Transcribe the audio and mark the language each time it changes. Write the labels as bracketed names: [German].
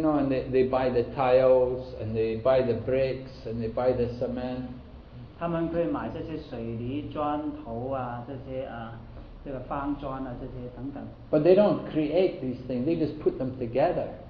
[English] know, and they buy the tiles, and they buy the bricks, and they buy the cement. [Chinese] 他们可以买这些水泥砖头啊，这些这个方砖啊，这些等等。 [English] But they don't create these things; they just put them together.